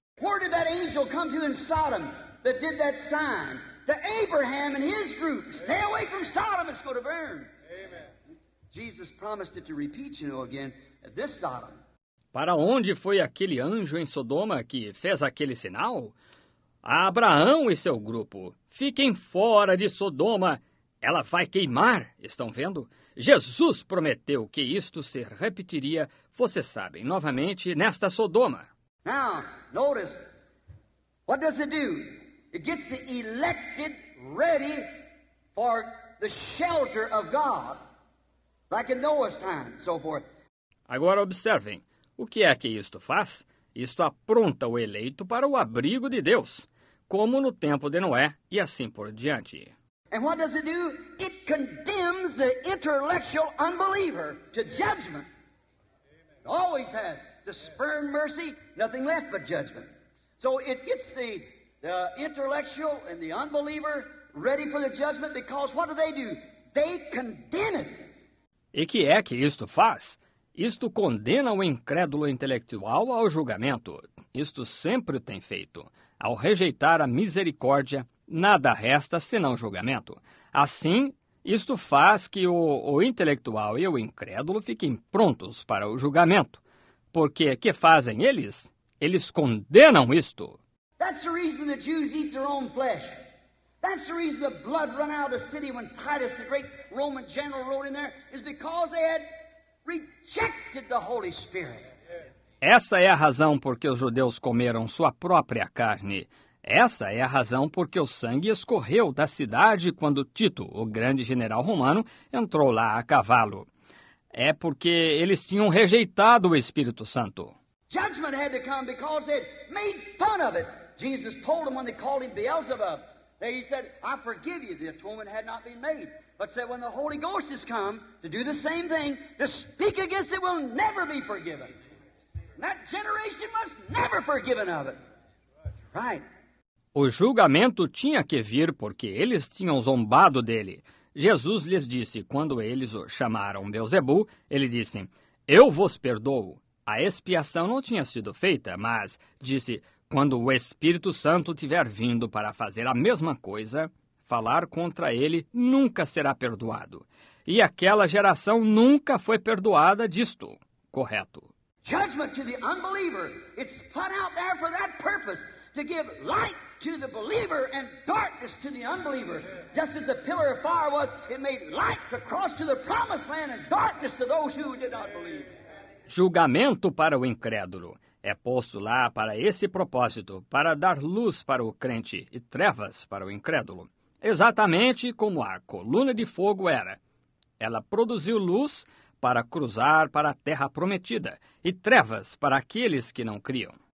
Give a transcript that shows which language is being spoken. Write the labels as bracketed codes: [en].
[en] Where did that angel come to in Sodom that did that sign? To Abraham and his group. Stay away from Sodom, it's going to burn. Jesus promised it to repeat, you know, again, this Sodom. [pt] Para onde foi aquele anjo em Sodoma que fez aquele sinal? A Abraão e seu grupo, fiquem fora de Sodoma. Ela vai queimar, estão vendo? Jesus prometeu que isto se repetiria, vocês sabem, novamente, nesta Sodoma. [en] Now, notice, what does it do? It gets the elected ready for the shelter of God. Like in Noah's time, so forth. [pt] Agora observem, o que é que isto faz? Isto apronta o eleito para o abrigo de Deus, como no tempo de Noé e assim por diante. [en] And what does it do? It condemns the intellectual unbeliever to judgment. It always has. To spurn mercy, nothing left but judgment. So it gets the intellectual and the unbeliever ready for the judgment, because what do? They condemn it. [pt] E que é que isto faz? Isto condena o incrédulo intelectual ao julgamento. Isto sempre tem feito. Ao rejeitar a misericórdia, nada resta senão julgamento. Assim, isto faz que o intelectual e o incrédulo fiquem prontos para o julgamento. Porque que fazem eles? Eles condenam isto. [en] That's the reason the Jews eat their own flesh. That's the reason the blood ran out of the city when Titus, the great Roman general, rode in there, is because they had rejected the Holy Spirit. [pt] Essa é a razão porque os judeus comeram sua própria carne. Essa é a razão porque o sangue escorreu da cidade quando Tito, o grande general romano, entrou lá a cavalo. É porque eles tinham rejeitado o Espírito Santo. [en] Judgment had to come because they had made fun of it. Jesus told them when they called him Beelzebub. He said, I forgive you, the atonement had not been made. But said, when the Holy Ghost has come to do the same thing, to speak against it will never be forgiven. That generation must never forgiven of it. Right. [pt] O julgamento tinha que vir porque eles tinham zombado dele. Jesus lhes disse, quando eles o chamaram Beelzebu, ele disse, eu vos perdoo. A expiação não tinha sido feita, mas disse, quando o Espírito Santo tiver vindo para fazer a mesma coisa, falar contra ele nunca será perdoado. E aquela geração nunca foi perdoada disto. Correto. [en] Judgment to the unbeliever. It's put out there for that purpose, to give light to the believer and darkness to the unbeliever. Just as the pillar of fire was, it made light to cross to the promised land and darkness to those who did not believe. [pt] Julgamento para o incrédulo. É posto lá para esse propósito, para dar luz para o crente e trevas para o incrédulo. Exatamente como a coluna de fogo era. Ela produziu luz para cruzar para a terra prometida e trevas para aqueles que não criam.